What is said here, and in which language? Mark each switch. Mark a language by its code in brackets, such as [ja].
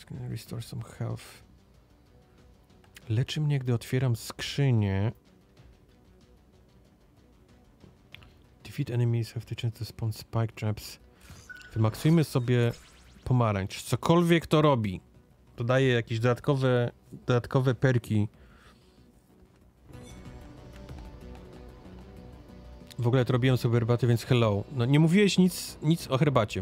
[en] Restore some health. [pl] Leczy mnie, gdy otwieram skrzynię. [en] Defeat enemies have the chance to spawn spike traps. [pl] Wymaksujmy sobie pomarańcz. Cokolwiek to robi, to daje jakieś dodatkowe perki. W ogóle to robiłem sobie herbatę, więc hello. No nie mówiłeś nic o herbacie.